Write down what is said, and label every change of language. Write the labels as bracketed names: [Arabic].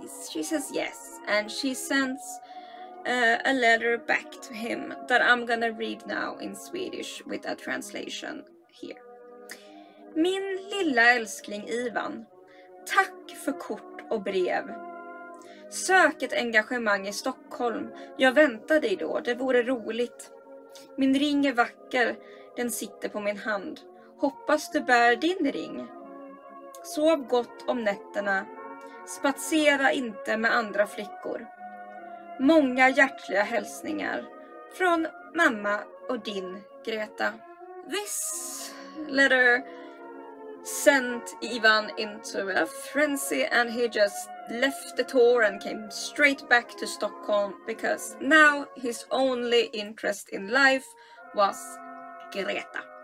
[English] She says yes, and she sends a letter back to him that I'm gonna read now in Swedish with a translation here. [Swedish] Min lilla älskling Ivan, tack för kort och brev. Sök ett engagemang i Stockholm. Jag väntar dig då. Det vore roligt. Min ring är vacker. Den sitter på min hand. Hoppas du bär din ring. Sov gott om nätterna. Spatsera inte med andra flickor. Många hjärtliga hälsningar från mamma och din Greta. [English] This letter sent Ivan into a frenzy and he just left the tour and came straight back to Stockholm, because now his only interest in life was Greta.